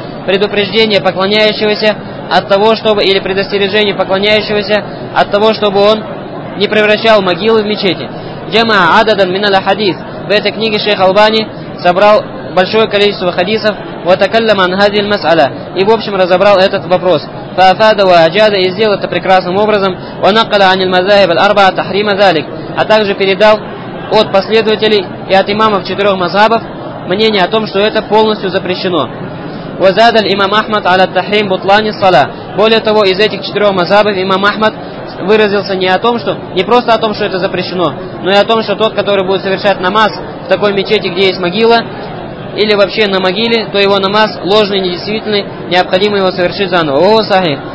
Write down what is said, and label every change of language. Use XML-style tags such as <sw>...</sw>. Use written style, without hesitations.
<ru>Предупреждение поклоняющегося от того, чтобы, или предостережение поклоняющегося от того, чтобы он не превращал могилы в мечети.</ru> <ar>Джама ададан мин аль-хадис.</ar> <ru>В этой книге шейх Албани собрал большое количество хадисов</ru> <ar>«Ва такаллама ан хазиль мас'аля»</ar> <ru>и в общем разобрал этот вопрос.</ru> <ar>فأفاده وأجاده</ar> <ru>и сделал это прекрасным образом.</ru> <ar>ونقل عن المذاهب الأربعة تحريم ذلك.</ar> <ru>А также передал от последователей и от имамов четырех мазхабов мнение о том, что это полностью запрещено.</ru> <ar>وزاد الإمام أحمد على التحريم بطلان الصلاة.</ar> <ru>Более того, из этих четырех мазхабов имам Ахмад выразился не о том, что не просто о том, что это запрещено, но и о том, что тот, который будет совершать намаз в такой мечети, где есть могила, или вообще на могиле, то его намаз ложный, недействительный, необходимо его совершить заново. О, сахих.</ru>